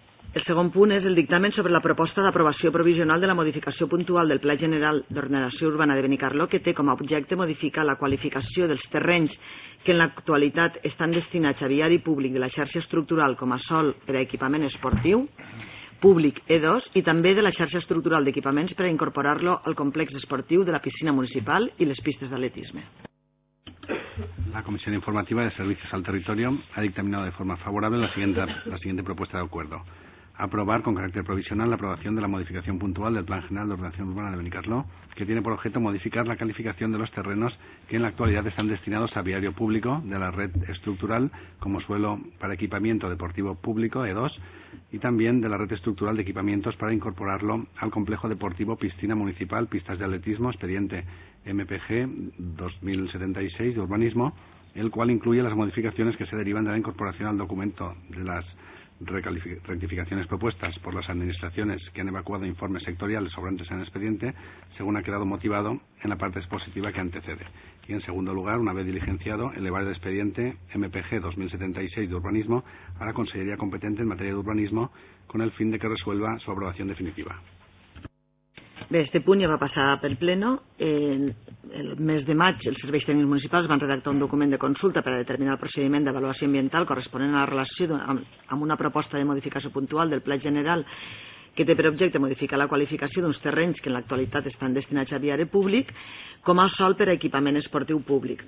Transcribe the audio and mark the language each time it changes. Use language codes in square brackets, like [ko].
[ca] El segon punt és el dictamen sobre la proposta d'aprovació provisional de la modificació puntual del Pla General d'Ordenació Urbana de Benicarló, que té com a objecte modificar la qualificació dels terrenys que en l'actualitat estan destinats a viari públic de la xarxa estructural com a sòl per a equipament esportiu públic E2 i també de la xarxa estructural d'equipaments per a incorporar-lo al complex esportiu de la piscina municipal i les pistes d'atletisme. [es] La Comisión Informativa de Servicios al Territorio ha dictaminado de forma favorable la siguiente propuesta de acuerdo. Aprobar con carácter provisional la aprobación de la modificación puntual del Plan General de Ordenación Urbana de Benicarló, que tiene por objeto modificar la calificación de los terrenos que en la actualidad están destinados a viario público de la red estructural como suelo para equipamiento deportivo público, E2, y también de la red estructural de equipamientos para incorporarlo al complejo deportivo Piscina Municipal Pistas de Atletismo, expediente MPG 2076 de Urbanismo, el cual incluye las modificaciones que se derivan de la incorporación al documento de las rectificaciones propuestas por las administraciones que han evacuado informes sectoriales sobrantes en el expediente, según ha quedado motivado en la parte expositiva que antecede. Y en segundo lugar, una vez diligenciado, elevar el expediente MPG 2076 de Urbanismo a la Consellería competente en materia de urbanismo con el fin de que resuelva su aprobación definitiva. [ca] Bé, este punt ja va passar pel pleno. El mes de maig els serveis tècnics municipals van redactar un document de consulta per a determinar el procediment d'avaluació ambiental corresponent a la relació amb una proposta de modificació puntual del pla general que té per objecte modificar la qualificació d'uns terrenys que en l'actualitat estan destinats a viari públic com a sòl per a equipament esportiu públic.